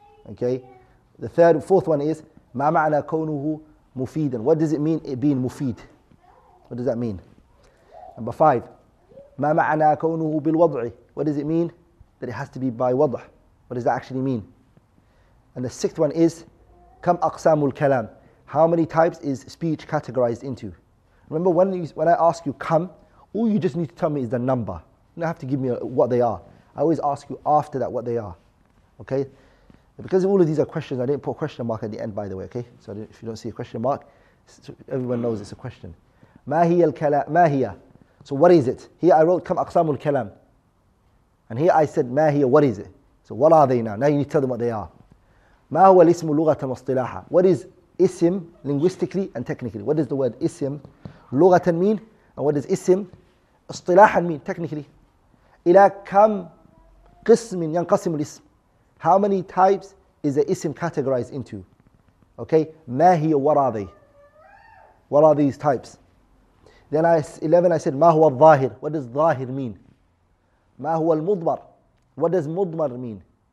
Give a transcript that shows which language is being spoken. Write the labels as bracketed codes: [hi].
[en] Okay, the third, fourth one is [ar] ما معنى كونه مفيدا? [en] What does it mean it being مفيد? What does that mean? Number five, [ar] ما معنى كونه بالوضع? [en] What does it mean that it has to be by وضع? What does that actually mean? And the sixth one is [ar] كم أقسام الكلام? [en] How many types is speech categorized into? Remember when I ask you كم, all you just need to tell me is the number. You don't have to give me what they are. I always ask you after that what they are. Okay. Because all of these are questions, I didn't put a question mark at the end, by the way, okay? So if you don't see a question mark, everyone knows it's a question. [ar] ما هي الكلام? ما هي? [en] So what is it? Here I wrote, [ar] كم أقسام الكلام? [en] And here I said, [ar] ما هي? [en] What is it? So what are they now? Now you need to tell them what they are. [ar] ما هو الاسم لغة واصطلاحا? [en] What is اسم linguistically and technically? What does the word [ar] اسم لغة [en] mean? And what does [ar] اسم اصطلاحا mean technically? إلى كم قسم ينقسم الاسم? [en] How many types is the ism categorized into? Okay, [ar] ma hiya, [en] what are they? What are these types? Then I said, [ar] ma huwa al-dhahir? [en] What does dhahir mean? [ar] Ma huwa al-mudmar? [en] What does mudmar mean?